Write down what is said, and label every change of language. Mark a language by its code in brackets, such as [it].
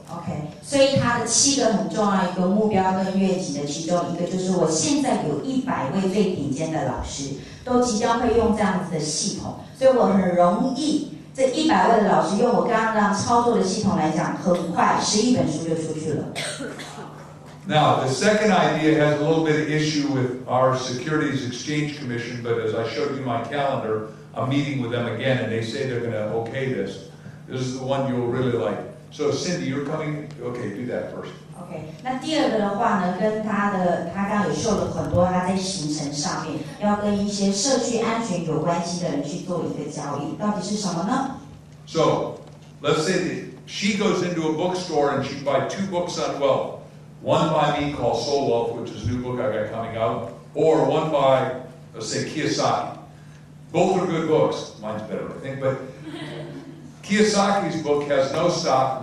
[zh] Okay, 所以他的7个很重要一个目标跟愿景的其中一个就是我现在有100位最顶尖的老师都即将会用这样子的系统，所以我很容易这100位的老师，用我刚刚操作的系统来讲，很快11本书就出去了。 [en] Now the second idea has a little bit of issue with our Securities Exchange Commission, but as I showed you my calendar, I'm meeting with them again, and they say they're going to okay this. This is the one you'll really like. So Cindy, you're coming. Okay, do that first. Okay. [zh] 那第二个的话呢，跟他刚刚有秀了很多他在行程上面要跟一些社区安全有关系的人去做一个交易，到底是什么呢 [en] ？So, let's say that she goes into a bookstore and she buys 2 books on wealth. One by me called Soul Wealth, which is a new book I got coming out, or one by, let's say, Kiyosaki. Both are good books. Mine's better, I think, but Kiyosaki's book has no stock.